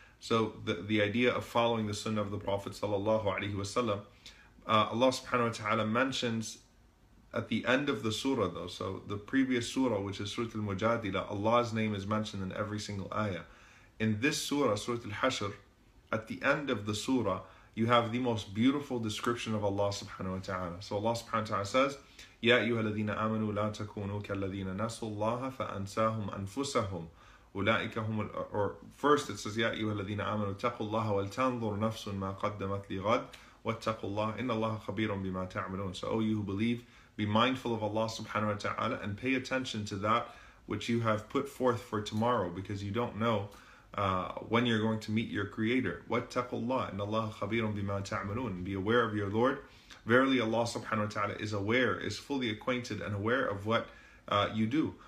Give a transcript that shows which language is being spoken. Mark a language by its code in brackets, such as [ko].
[en] So the idea of following the sunnah of the Prophet sallallahu alaihi wasallam, Allah subhanahu wa ta'ala mentions at the end of the surah though, so the previous surah, which is Surah Al-Mujadila, Allah's name is mentioned in every single ayah. In this surah, Surah Al-Hashr, at the end of the surah, you have the most beautiful description of Allah subhanahu wa ta'ala. So Allah subhanahu wa ta'ala says, [ar] يَا أَيُّهَا الَّذِينَ آمَنُوا لَا تَكُونُوا كَالَّذِينَ نَسُوا اللَّهَ فَأَنْسَاهُمْ أَنفُسَهُمْ أُولَئِكَ هُمُ [en] or first it says, [ar] يَا أَيُّهَا الَّذِينَ آمَنُوا اتَّقُوا اللَّهَ وَلْتَنظُرْ نَفْسٌ مَا قَدَّمَتْ لِغَدٍ وَاتَّقُوا اللَّهَ إِنَّ اللَّهَ خَبِيرٌ بِمَا تَعْمَلُونَ. [en] So, O you who believe, be mindful of Allah subhanahu wa ta'ala and pay attention to that which you have put forth for tomorrow, because you don't know when you're going to meet your Creator. [ar] وَاتَّقُوا اللَّهَ إِنَّ اللَّهَ خَبِيرٌ بِمَا تَعْمَلُونَ. [en] Be aware of your Lord. Verily Allah subhanahu wa ta'ala is aware, is fully acquainted and aware of what you do.